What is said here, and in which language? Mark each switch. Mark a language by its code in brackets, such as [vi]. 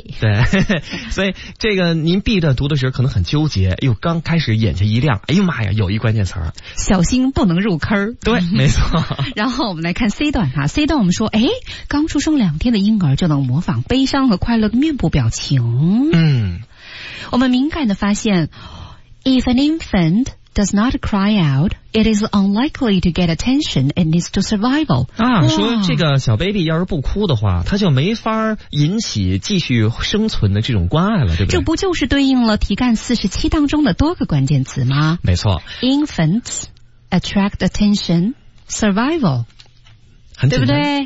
[zh] 对呵呵，所以这个您 B 段读的时候可能很纠结，又刚开始眼前一亮，哎呦妈呀，有一关键词儿，小心不能入坑。对，没错。然后我们来看 C 段哈 ，C 段我们说，刚出生两天的婴儿就能模仿悲伤和快乐的面部表情。我们敏感的发现 [en] ，If an infant does not cry out, it is unlikely to get attention and needs to survival. [zh] 啊，说这个小 baby 要是不哭的话，他就没法引起继续生存的这种关爱了，对不对？这不就是对应了题干47当中的多个关键词吗？没错。 [en] Infants attract attention, survival. [zh] 很简单，